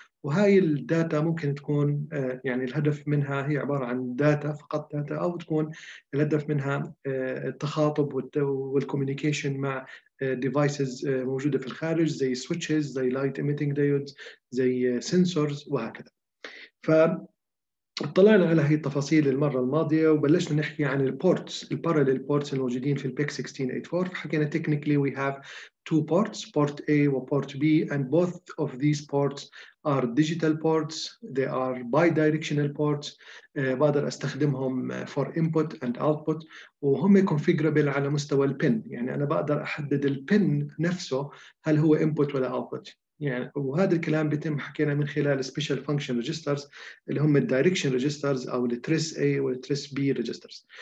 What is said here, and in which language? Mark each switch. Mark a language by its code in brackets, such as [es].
[ar] وهاي الداتا ممكن تكون يعني الهدف منها هي عبارة عن داتا فقط داتا، او تكون الهدف منها التخاطب والcommunication مع devices موجودة في الخارج، زي switches، زي light emitting diodes، زي sensors وهكذا. فطلعنا على هاي التفاصيل المرة الماضية وبلشنا نحكي عن الports، parallel ports الموجودين في البيك 1684. فحكينا [en] technically we have two ports, port A و port B, and both of these ports are digital ports. They are bi-directional ports. [ar] بقدر أستخدمهم [en] for input and output. [ar] وهم configurable على مستوى pin. يعني أنا بقدر أحدد pin نفسه هل هو input ولا output. يعني وهذا الكلام بيتم حكينا من خلال special function registers اللي هم direction registers أو tris A و tris B registers.